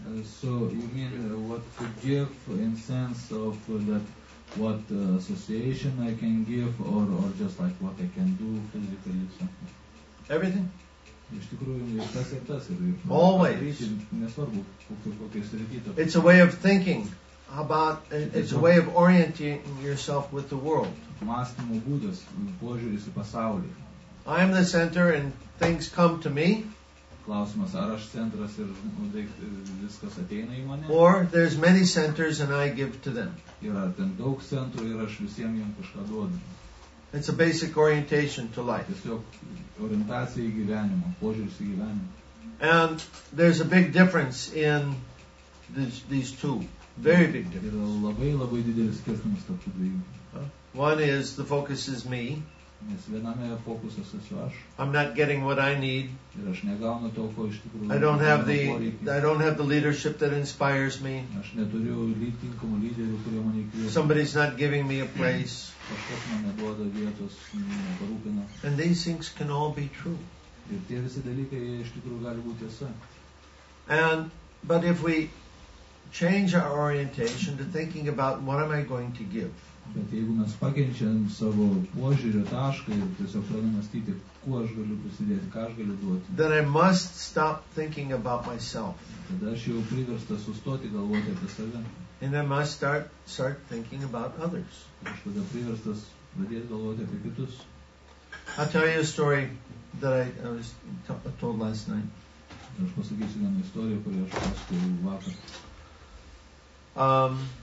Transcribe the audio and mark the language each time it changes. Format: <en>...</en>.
<en>So, you mean what to give in sense of that what association I can give or just like what I can do physically something. Everything?</en> <lt>Iš tikrųjų, ir tas ir tas.</lt> <en>Always.</en> <lt>Nesvarbu, kokie sritytos.</lt> <en>It's a way of thinking about, it's a way of orienting yourself with the world.</en> <lt>Mąstymo būdas, požiūris į pasaulį.</lt> <en>I am the center and things come to me.</en> <lt>Klausimas, ar aš centras ir viskas ateina į mane?</lt> <en>Or there's many centers and I give to them.</en> <lt>Yra ten daug centrų ir aš visiems jiems kažką duodu.</lt> <en>It's a basic orientation to life.</en> <lt>Tiesiog orientacija į gyvenimą, požiūris į gyvenimą.</lt> <en>And there's a big difference in these two. Very big difference.</en> <lt>Yra labai labai didelis skirtumas tarp tų dviejų.</lt> <en>One is the focus is me.</en> <lt>Nes viename fokusas esu aš.</lt> <en>I'm not getting what I need.</en> <lt>Ir aš negaunu to, ko iš tikrųjų.</lt> <en>I don't have the leadership that inspires me.</en> <lt>Aš neturiu tinkamų lyderių, kurie mane įkvėptų.</lt> <en>Somebody's not giving me a place.</en> <lt>Kažkas man neduoda vietos, neparūpina.</lt> <en>And these things can all be true.</en> <lt>Ir tie visi dalykai, jie iš tikrųjų gali būti tiesa.</lt> <en>And, but if we change our orientation to thinking about what am I going to give.</en> <lt>Bet jeigu mes pakeičiam savo požiūrio tašką ir tiesiog pradedam mąstyti, kuo aš galiu prisidėti, ką aš galiu duoti.</lt> <en>Then I must stop thinking about myself.</en> <lt>Tada aš jau priverstas sustoti galvoti apie save.</lt> <en>And I must start thinking about others.</en> <lt>Aš tada priverstas pradėti galvoti apie kitus.</lt> <en>I'll tell you a story that I was told last night.</en> <lt>Aš pasakysiu vieną istoriją, kurią aš pasakiau vakar.</lt>